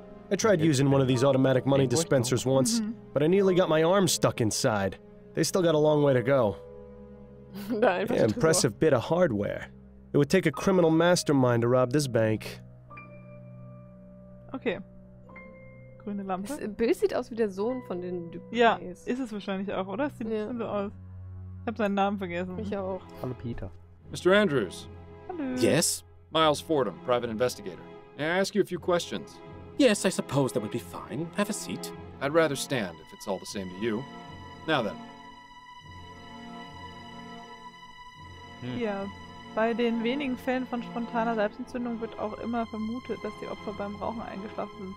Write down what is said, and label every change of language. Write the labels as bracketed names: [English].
[English] I tried using one of these automatic money dispensers once, but I nearly got my arm stuck inside. They still got a long way to go. Yeah, impressive bit of hardware. It would take a criminal mastermind to rob this bank. [German] Okay. grüne Lampe. Es, Bill sieht aus wie der Sohn von den Dupuis. Ja, ist es wahrscheinlich auch, oder? Es sieht ein bisschen so aus. Ich habe seinen Namen vergessen. Ich auch. Hallo, Peter. [English] Mr. Andrews. [German] Hallo. [English] Yes? Miles Fordham, private investigator. May I ask you a few questions? Yes, I suppose that would be fine. Have a seat. I'd rather stand, if it's all the same to you. Now then. [German] Ja, bei den wenigen Fällen von spontaner Selbstentzündung wird auch immer vermutet, dass die Opfer beim Rauchen eingeschlafen sind.